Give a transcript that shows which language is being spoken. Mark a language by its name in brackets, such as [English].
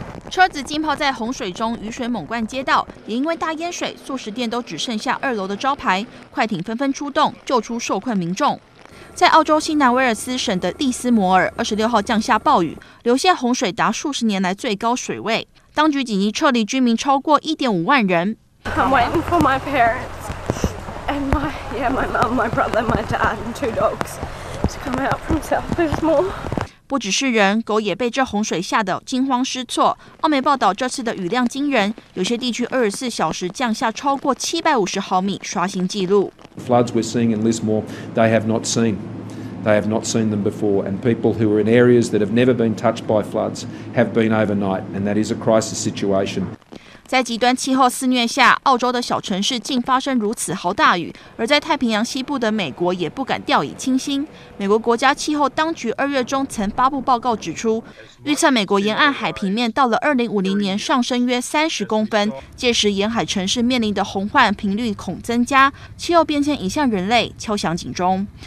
[Chinese] 车子浸泡在洪水中，雨水猛灌街道，也因为大淹水，速食店都只剩下二楼的招牌。快艇纷纷出动，救出受困民众。在澳洲新南威尔斯省的利斯摩尔，26号降下暴雨，流泻洪水达数十年来最高水位。当局紧急撤离居民超过1.5万人。 [English] I'm waiting for my parents and my my mom, my brother, my dad and 2 dogs to come out from South Lismore。 [Chinese] 不只是人，狗也被这洪水吓得惊慌失措。澳媒报道，这次的雨量惊人，有些地区24小时降下超过750毫米，刷新纪录。 [English] Floods we're seeing in Lismore, they have not seen. They have not seen them before, and people who are in areas that have never been touched by floods have been overnight, and that is a crisis situation. [Chinese] 在极端气候肆虐下，澳洲的小城市竟发生如此豪大雨，而在太平洋西部的美国也不敢掉以轻心。美国国家气候当局二月中曾发布报告指出，预测美国沿岸海平面到了2050年上升约30公分，届时沿海城市面临的洪患频率恐增加，气候变迁已向人类敲响警钟。